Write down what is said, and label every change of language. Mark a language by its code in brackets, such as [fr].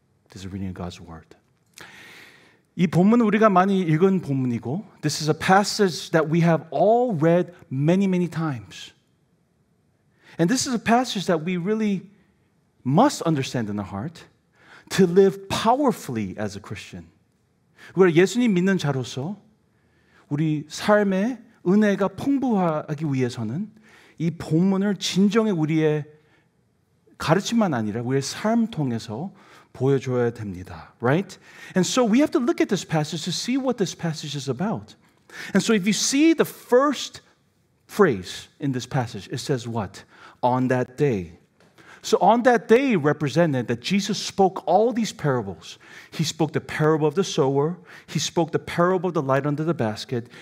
[en] This is reading God's word. [ko] 이 본문은 우리가 많이 읽은 본문이고, [en] this is a passage that we have all read many, many times. And this is a passage that we really must understand in our heart to live powerfully as a Christian. [ko] 우리가 예수님 믿는 자로서 우리 삶의 은혜가 풍부하기 위해서는 이 본문을 진정에 우리의 가르침만 아니라 우리의 삶 통해서 보여줘야 됩니다. [en] Right? And so we have to look at this passage to see what this passage is about. And so if you see the first phrase in this passage, it says what? On that day. So on that day represented that Jesus spoke all these parables. He spoke the parable of the sower. He spoke the parable of the light under the basket.